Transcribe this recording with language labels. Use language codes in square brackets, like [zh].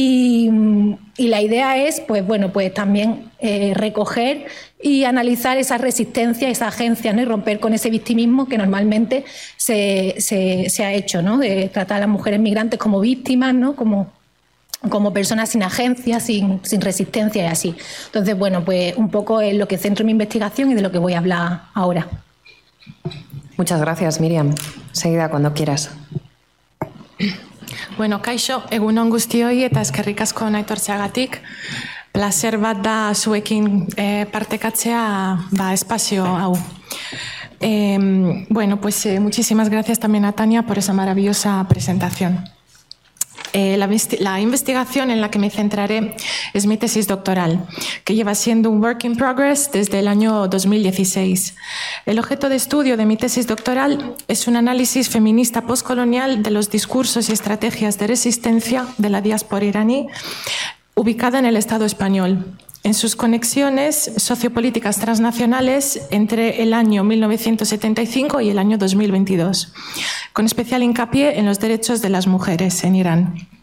[es] Y la idea es, pues bueno, pues también recoger y analizar esa resistencia, esa agencia, ¿no?, y romper con ese victimismo que normalmente se ha hecho, ¿no?, de tratar a las mujeres migrantes como víctimas, ¿no?, como personas sin agencia, sin resistencia y así. Entonces, bueno, pues un poco es lo que centro en mi investigación y de lo que voy a hablar ahora. Muchas gracias, Miriam. Seguida, cuando quieras. [eu] Bueno, kaixo, egunon guztioi eta eskerrik asko naitortzeagatik. Plazer bat da zuekin partekatzea ba espazio hau. [es] Bueno, pues muchísimas gracias también a Tania por esa maravillosa presentación. La investigación en la que me centraré es mi tesis doctoral, que lleva siendo un [en] work in progress [es] desde el año 2016. El objeto de estudio de mi tesis doctoral es un análisis feminista postcolonial de los discursos y estrategias de resistencia de la diáspora iraní ubicada en el Estado español, en sus conexiones sociopolíticas transnacionales entre el año 1975 y el año 2022, con especial hincapié en los derechos de las mujeres en Irán.